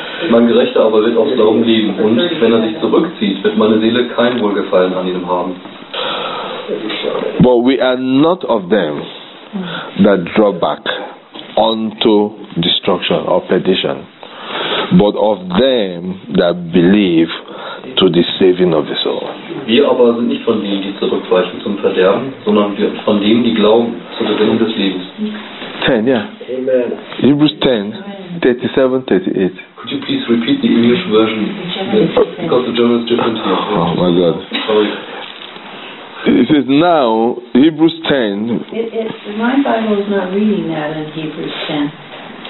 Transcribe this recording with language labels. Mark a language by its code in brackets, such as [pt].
[de] Mein Gerechter aber wird aus Glauben leben, und wenn er sich zurückzieht, wird meine Seele kein Wohlgefallen an ihm haben. [en] But we are not of them that draw back unto destruction or perdition, but of them that believe to the saving of the soul. [de] Wir aber sind nicht von denen, die zurückweichen zum Verderben, sondern wir von denen, die glauben zur Gewinnung des Lebens. [en] 10, yeah. Amen. Hebrews 10, 37, 38. Could you please repeat the English version? Because the German is different here. Oh my God. Sorry. It says now, Hebrews 10. My Bible is not reading that in Hebrews 10.